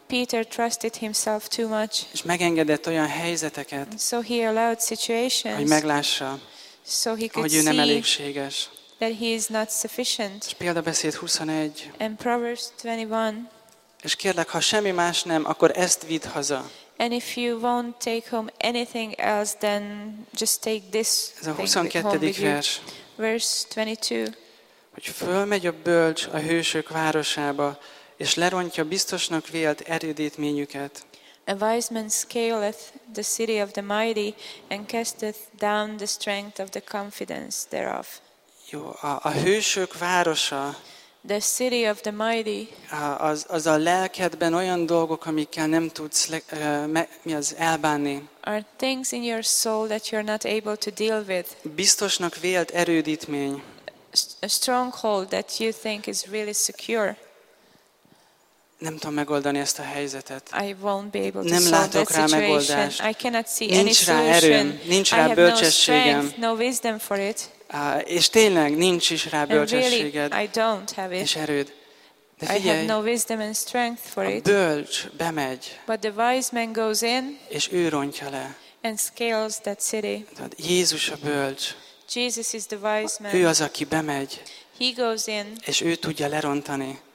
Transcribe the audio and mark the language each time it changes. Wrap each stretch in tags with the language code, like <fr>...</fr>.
<en>Peter trusted himself too much.</en> <hu>És megengedett olyan helyzeteket.</hu> <en>So he allowed situations.</en> <hu>Hogy meglássa.</hu> <en>So he could</en> <hu>hogy ő nem elégséges.</hu> <en>That he is not sufficient.</en> <hu>És példabeszéd 21.</hu> <en>And Proverbs 21.</en> <hu>És kérlek, ha semmi más nem, akkor ezt vidd haza.</hu> <en>And if you won't take home anything else, then just take this</en> <hu>ez a 22.</hu> <en>Home</en> <hu>vers.</hu> <en>With you. Verse 22.</en> <hu>Hogy fölmegy a bölcs a hősök városába, és lerontja biztosnak vélt erődítményüket.</hu> <en>A wise man scaleth the city of the mighty, and casteth down the strength of the confidence thereof.</en> <hu>Jó, a hősök városa.</hu> <en>The city of the mighty.</en> <hu>Az a lelkedben olyan dolgok, amikkel nem tudsz mi az elbánni.</hu> <en>Are things in your soul that you're not able to deal with.</en> <hu>Biztosnak vélt erődítmény.</hu> <en>A stronghold that you think is really secure.</en> <hu>Nem tudom megoldani ezt a helyzetet.</hu> <en>I won't be able to</en> <hu>nem látok rá megoldást. Nincs rá erőm, nincs rá bölcsességem.</hu> <en>No strength, no for it.</en> <hu>És tényleg nincs is rá bölcsességed.</hu> <en>Really, I don't have it.</en> <hu>És erőd. De figyelj,</hu> <en>I have no wisdom and strength for it.</en> <hu>A bölcs bemegy.</hu> <en>But the wise man goes in.</en> <hu>És ő rontja le.</hu> <en>And scales that city.</en> <hu>Tehát Jézus a bölcs.</hu> <en>Jesus is the wise man.</en> <hu>Ő az, aki bemegy.</hu> <en>He goes in.</en> <hu>És ő tudja lerontani.</hu>